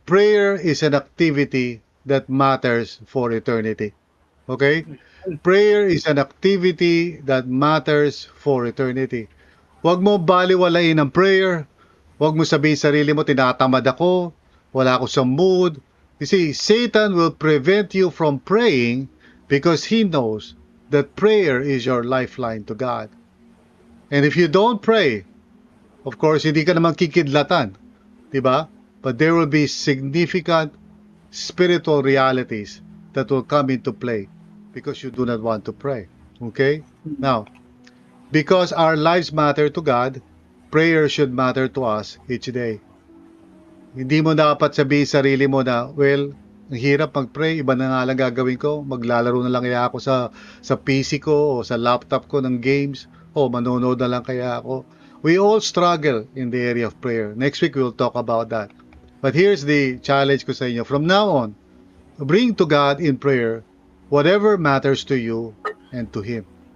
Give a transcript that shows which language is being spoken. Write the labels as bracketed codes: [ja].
[en] Prayer is an activity that matters for eternity. Okay? Prayer is an activity that matters for eternity. [tl] Huwag mo baliwalain ang prayer. Huwag mo sabihin sa sarili mo, tinatamad ako, wala ako sa mood. [en] You see, Satan will prevent you from praying because he knows that prayer is your lifeline to God. And if you don't pray, of course, [tl] hindi ka naman kikidlatan, diba? [en] But there will be significant spiritual realities that will come into play because you do not want to pray. Okay? Now, because our lives matter to God, prayer should matter to us each day. [tl] Hindi mo dapat sabihin sarili mo na, [en] well, [tl] ang hirap mag-pray. Iba na nga lang gagawin ko. Maglalaro na lang kaya ako sa PC ko o sa laptop ko ng games. O manonood na lang kaya ako. [en] We all struggle in the area of prayer. Next week, we'll talk about that. But here's the challenge [tl] ko sa inyo. [en] From now on, bring to God in prayer whatever matters to you and to Him.